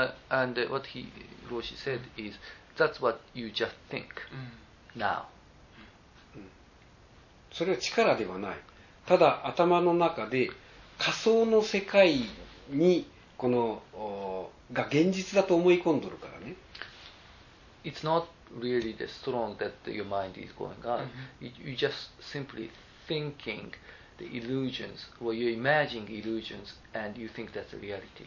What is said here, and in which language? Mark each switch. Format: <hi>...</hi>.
<en>And what he Roshi said is that's what you just think now.</en> <ja>それは力ではない。ただ頭の中で仮想の世界にこのが現実だと思い込んでるからね。</ja> <en>It's not really the strong that your mind is going on. You just simply thinking the illusions or you're imagining illusions and you think that's the reality.</en>